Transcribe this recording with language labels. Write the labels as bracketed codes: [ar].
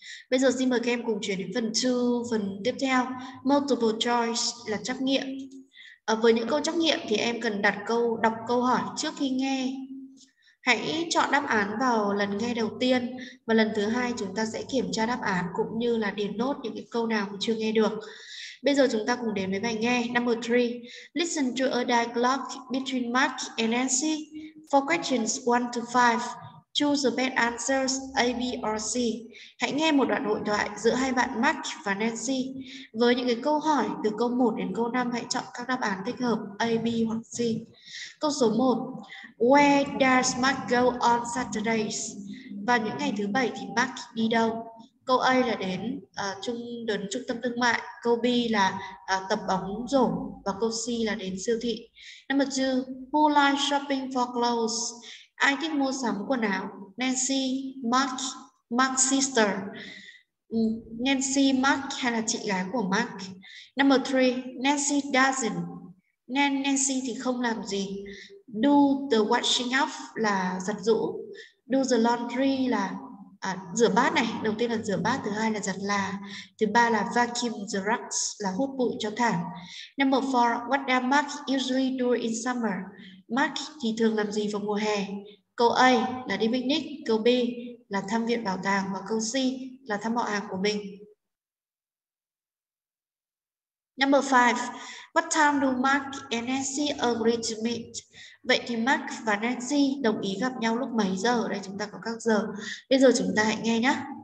[vi] Bây giờ xin mời các em cùng chuyển đến phần 2, phần tiếp theo. [en] Multiple choice [vi] là trắc nghiệm. Với những câu trắc nghiệm thì em cần đọc câu hỏi trước khi nghe. Hãy chọn đáp án vào lần nghe đầu tiên, và lần thứ hai chúng ta sẽ kiểm tra đáp án cũng như là điền nốt những cái câu nào chưa nghe được. Bây giờ chúng ta cùng đến với bài nghe. [en] Number 3. Listen to a dialogue between Mark and Nancy. For questions 1 to 5, choose the best answers A, B or C. [vi] Hãy nghe một đoạn hội thoại giữa hai bạn Mark và Nancy. Với những cái câu hỏi từ câu 1 đến câu 5, hãy chọn các đáp án thích hợp A, B hoặc C. Câu số 1. [en] Where does Mark go on Saturdays? [vi] Vào những ngày thứ bảy thì Mark đi đâu? Câu A là đến trung tâm thương mại. Câu B là tập bóng rổ. Và câu C là đến siêu thị. [en] Number 2. Who likes shopping for clothes? [vi] Ai thích mua sắm quần áo? [en] Nancy, Mark, Mark's sister. [vi] Nancy, Mark hay là chị gái của Mark? [en] Number 3. Nancy doesn't. [vi] Nancy thì không làm gì. [en] Do the washing up [vi] là giặt giũ. [en] Do the laundry [vi] là rửa bát này, đầu tiên là rửa bát, thứ hai là giặt là, thứ ba là [en] vacuum the rugs [vi] là hút bụi cho thảm. [en] Number 4, what does Mark usually do in summer? [vi] Mark thì thường làm gì vào mùa hè? Câu A là đi picnic, câu B là thăm viện bảo tàng và câu C là thăm họ hàng của mình. [en] Number 5, what time do Mark and Nancy agree to meet? [vi] Vậy thì Mark và Nancy đồng ý gặp nhau lúc mấy giờ? Đây chúng ta có các giờ. Bây giờ chúng ta hãy nghe nhé.